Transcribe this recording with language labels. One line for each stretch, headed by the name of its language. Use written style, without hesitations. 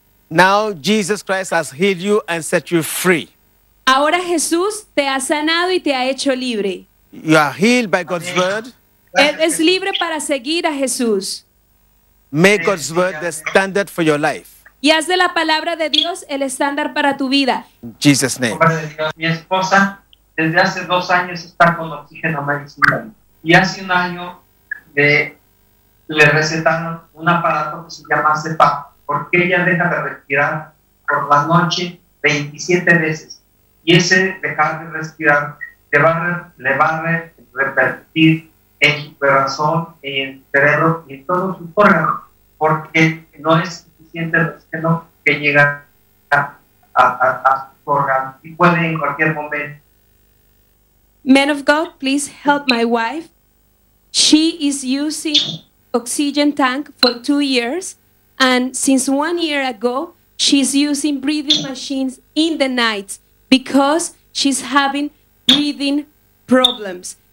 English: Now Jesus Christ has healed you and set you free.
Spanish: Ahora Jesús te ha sanado y te ha hecho libre.
English: You are healed by God's word.
Spanish: Él es libre para seguir a Jesús.
English: Make God's word the standard for your life.
Spanish: Y haz de la palabra de Dios el estándar para tu vida.
English: In Jesus' name.
Spanish: Mi esposa desde hace 2 años está con oxígeno medicinal. Y hace 1 año le recetaron un aparato que se llama CPAP. Porque ella deja de respirar por la noche 27 veces. Y ese dejar de respirar le va a repercutir en su corazón, en el cerebro y en todo su órgano, porque no es suficiente el oxígeno que llega a su órgano y puede en cualquier momento.
English: Man of God, please help my wife. She is using oxygen tank for 2 years, and since 1 year ago, she's using breathing machines in the night because she's having breathing problems.